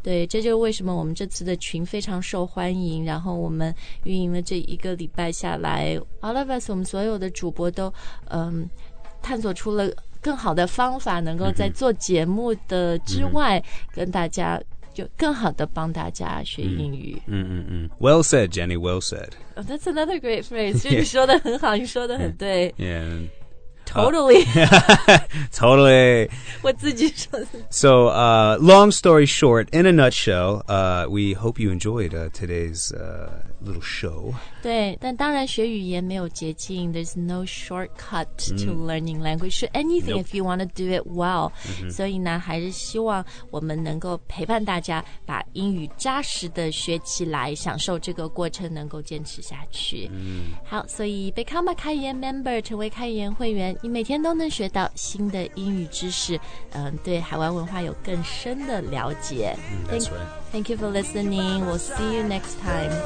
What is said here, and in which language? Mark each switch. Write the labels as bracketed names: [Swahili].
[Chinese] 对，这就是为什么我们这次的群非常受欢迎，然后我们运营了这一个礼拜下来， [English] All of us, [Chinese] 我们所有的主播都探索出了更好的方法，能够在做节目的之外、mm-hmm. 跟大家就更好的帮大家学英语。嗯嗯嗯。 [English] Well said, Jenny, well said.、 Oh, that's another great phrase. [Chinese] 就你说的很好，你说的很对。 [English] Yeah. Totally. totally. [Chinese] 我自己说的。 [English] So, long story short, in a nutshell, we hope you enjoyed today's little show. [Chinese] 对，但当然学语言没有捷径。 [English] There's no shortcut to learning language. So anything、nope. if you want to do it well.、Mm-hmm. [Chinese] 所以呢，还是希望我们能够陪伴大家把英语扎实的学起来，享受这个过程，能够坚持下去。 Mm-hmm. 好，所以 become a 开言 member， 成为开言会员，你每天都能学到新的英语知识，对海外文化有更深的了解。 [English] That's right. Thank you for listening. We'll see you next time.